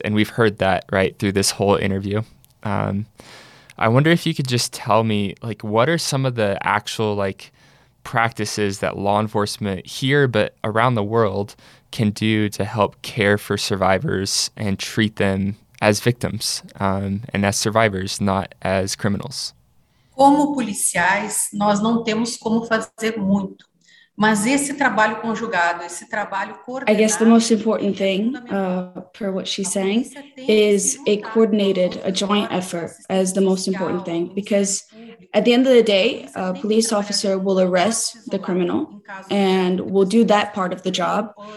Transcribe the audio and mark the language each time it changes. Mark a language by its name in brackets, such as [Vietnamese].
[English] And we've heard that, right, through this whole interview. I wonder if you could just tell me, like, what are some of the actual, like, practices that law enforcement here but around the world can do to help care for survivors and treat them as victims and as survivors, not as criminals? [Portuguese] Como policiais, nós não temos como fazer muito. Mas esse trabalho conjugado, esse trabalho coordenado... [English] I guess the most important thing, per what she's saying, is a coordinated, a joint effort as the most important thing. Because At the end of the day, a police officer will arrest the criminal and will do that part of the job.